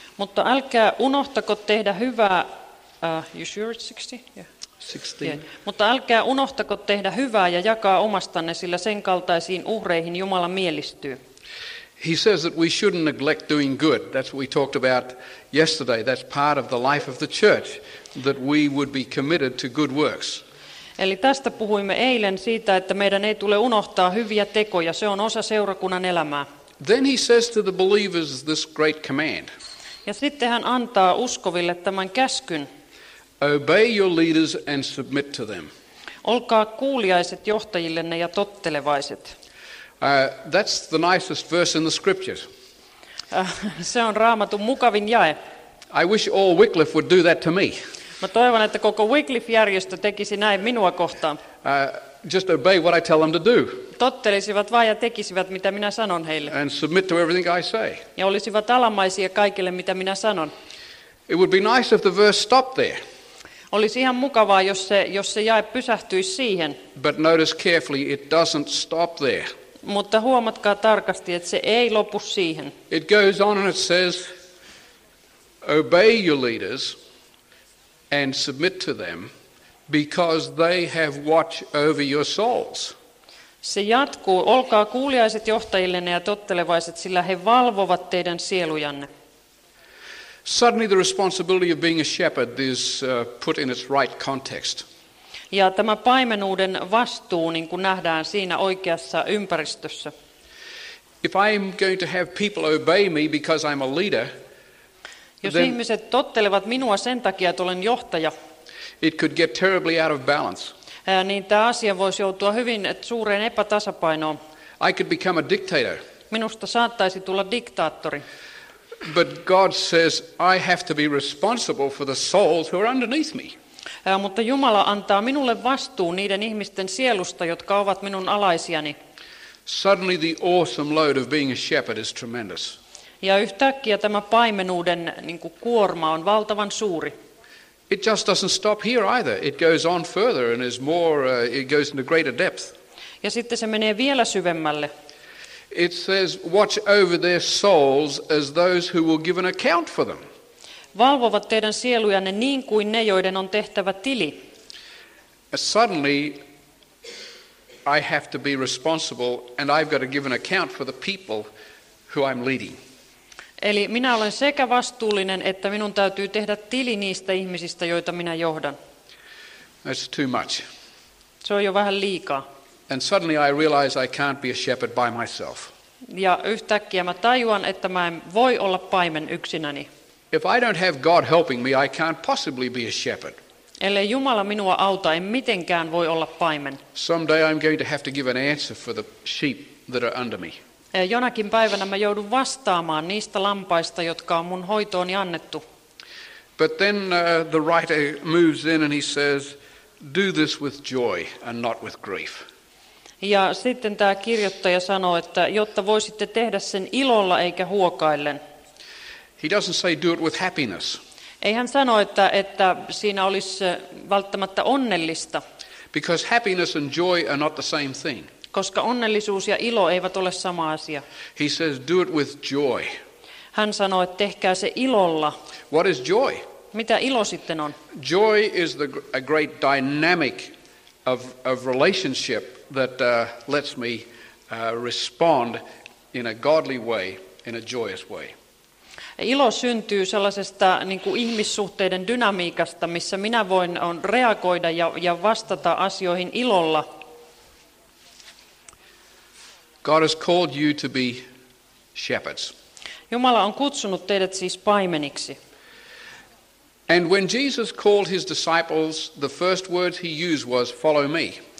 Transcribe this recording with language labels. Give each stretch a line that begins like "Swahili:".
Finnish: Mutta älkää unohtako tehdä hyvää.
English: You sure it's 16? Yeah. 16. Yeah.
Finnish: Mutta älkää unohtako tehdä hyvää ja jakaa omastanne, sillä sen kaltaisiin uhreihin Jumala mielistyy.
English: He says that we shouldn't neglect doing good. That's what we talked about yesterday. That's part of the life of the church, that we would be committed to good works.
Finnish: Eli tästä puhuimme eilen siitä, että meidän ei tule unohtaa hyviä tekoja. Se on osa seurakunnan elämää.
English: Then he says to the believers this great command.
Finnish: Ja sitten hän antaa uskoville tämän käskyn.
English: Obey your leaders and submit to them.
Finnish: Olkaa kuuliaiset johtajillenne ja tottelevaiset.
English: That's the nicest verse in the scriptures.
Finnish: Se on Raamatun mukavin jae.
English: I wish all Wycliffe would do that to me.
Finnish: Mä toivon, että koko Wycliffe-järjestö tekisi näin minua kohtaan.
English: Just obey what I tell them to do.
Finnish: Tottelisivat vaan ja tekisivät, mitä minä sanon heille.
English: And submit to everything I say.
Finnish: Ja olisivat alamaisia kaikille, mitä minä sanon.
English: It would be nice if the verse stopped there.
Finnish: Olisi ihan mukavaa, jos se jae pysähtyisi siihen.
English: But notice carefully, it doesn't stop there.
Finnish: Mutta huomatkaa tarkasti, että se ei lopu siihen.
English: It goes on and it says, obey your leaders and submit to them because they have watch over your souls.
Finnish: Se jatkuu, olkaa kuuliaiset johtajillenne ja tottelevaiset, sillä he valvovat teidän sielujanne.
English: Suddenly the responsibility of being a shepherd is put in its right context.
Finnish: Ja tämä paimenuuden vastuu, niin kuin nähdään siinä oikeassa ympäristössä.
English: If I'm going to have people obey me because I'm a leader,
Finnish: jos ihmiset tottelevat minua sen takia, että olen johtaja,
English: it could get terribly out of balance.
Finnish: Niin tämä asia voisi joutua hyvin suureen epätasapainoon.
English: I could become a dictator.
Finnish: Minusta saattaisi tulla diktaattori.
English: But God says I have to be responsible for the souls who are underneath me.
Finnish: Mutta Jumala antaa minulle vastuun niiden ihmisten sielusta, jotka ovat minun alaisiani.
English: Suddenly the awesome load of being a shepherd is tremendous.
Finnish: Ja yhtäkkiä tämä paimenuuden niinku kuorma on valtavan suuri.
English: It just doesn't stop here either. It goes on further and is more it goes into greater depth.
Finnish: Ja sitten se menee vielä syvemmälle.
English: It says watch over their souls as those who will give an account for them.
Finnish: Valvovat teidän sielujanne niin kuin ne, joiden on tehtävä tili.
English: Suddenly I have to be responsible and I've got to give an account for the people who I'm leading.
Finnish: Eli minä olen sekä vastuullinen että minun täytyy tehdä tili niistä ihmisistä, joita minä johdan.
English: That's too much.
Finnish: Se on jo vähän liikaa.
English: And suddenly I realize I can't be a shepherd by myself.
Finnish: Ja yhtäkkiä mä tajuan, että mä en voi olla paimen yksinäni.
English: If I don't have God helping me, I can't possibly be a shepherd.
Finnish: Ellei Jumala minua auta, en mitenkään voi olla paimen.
English: Someday I'm going to have to give an answer for the sheep that are under me.
Finnish: Jonakin päivänä mä joudun vastaamaan niistä lampaista, jotka on mun hoitooni annettu.
English: But then the writer moves in and he says, do this with joy and not with grief.
Finnish: Ja sitten tämä kirjoittaja sanoo, että jotta voisitte tehdä sen ilolla eikä huokaillen.
English: He doesn't say do it with happiness.
Finnish: Ei hän sano, että siinä olisi välttämättä onnellista.
English: Because happiness and joy are not the same thing.
Finnish: Koska onnellisuus ja ilo eivät ole sama asia.
English: He says do it with joy.
Finnish: Hän sanoo, että tehkää se ilolla.
English: What is joy?
Finnish: Mitä ilo sitten on?
English: Joy is a great dynamic of relationship that lets me respond in a godly way, in a joyous way.
Finnish: Ilo syntyy sellaisesta niin kuin ihmissuhteiden dynamiikasta, missä minä voin on reagoida ja vastata asioihin ilolla.
English: God has called you to be shepherds.
Finnish: Jumala on kutsunut teidät siis paimeniksi.
English: And when Jesus called his disciples, the first word he used was, follow me.